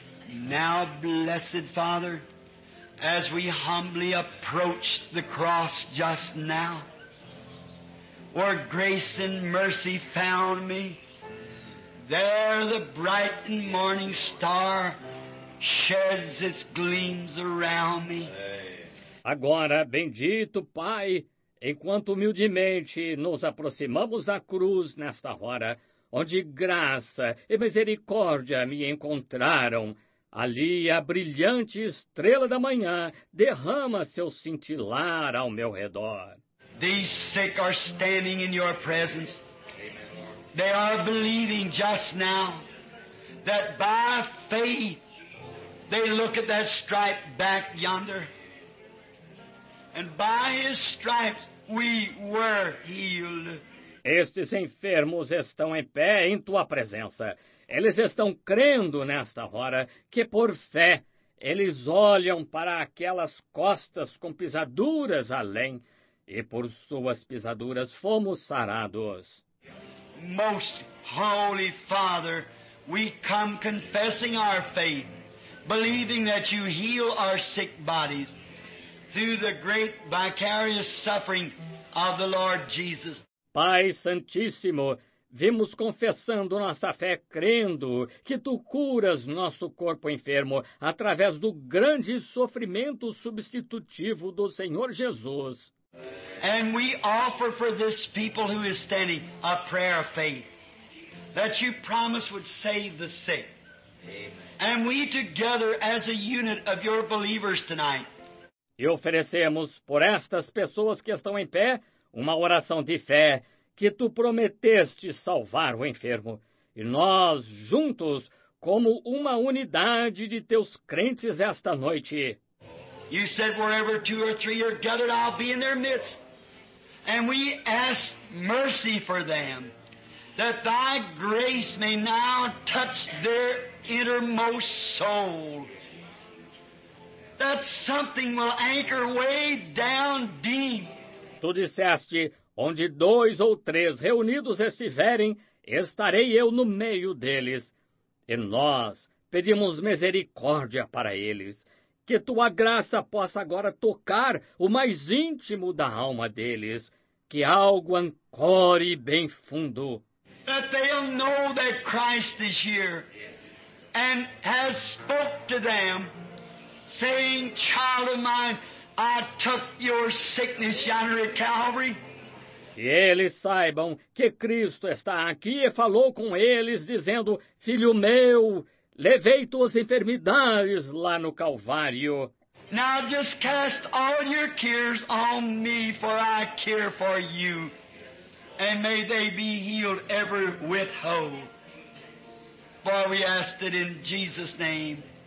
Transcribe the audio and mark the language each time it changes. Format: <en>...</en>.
<en>Now, blessed Father, as we humbly approach the cross just now, where grace and mercy found me, there the bright and morning star sheds its gleams around me.</en> <pt>Agora, bendito Pai, enquanto humildemente nos aproximamos da cruz nesta hora, onde graça e misericórdia me encontraram, ali a brilhante estrela da manhã derrama seu cintilar ao meu redor.</pt> <en>These sick are standing in your presence. Amen. They are believing just now that by faith they look at that stripe back yonder. And by his stripes we were healed.</en> <pt>Estes enfermos estão em pé em tua presença. Eles estão crendo nesta hora que, por fé, eles olham para aquelas costas com pisaduras além, e por suas pisaduras fomos sarados.</pt> <en>Most Holy Father, we come confessing our faith, believing that you heal our sick bodies through the great vicarious suffering of the Lord Jesus.</en> <pt>Pai Santíssimo, vimos confessando nossa fé, crendo que Tu curas nosso corpo enfermo através do grande sofrimento substitutivo do Senhor Jesus.</pt> <en>And we offer for this people who is standing a prayer of faith that you promised would save the sick. And we together as a unit of your believers tonight.</en> <pt>E oferecemos por estas pessoas que estão em pé uma oração de fé que tu prometeste salvar o enfermo. E nós, juntos, como uma unidade de teus crentes esta noite.</pt> <en>You said wherever two or three are gathered, I'll be in their midst. And we ask mercy for them, that thy grace may now touch their innermost soul. That something will anchor way down deep.</en> <pt>Tu disseste, onde dois ou três reunidos estiverem, estarei eu no meio deles. E nós pedimos misericórdia para eles, que tua graça possa agora tocar o mais íntimo da alma deles, que algo ancore bem fundo.</pt> <en>That they'll know that Christ is here and has spoke to them, saying, child of mine, I took your sickness yonder at Calvary.</en> <pt>Que eles saibam que Cristo está aqui e falou com eles, dizendo, filho meu, levei tuas enfermidades lá no Calvário.</pt> <en>Now just cast all your cares on me, for I care for you, and may they be healed ever with hope. For we ask it in Jesus' name.</en>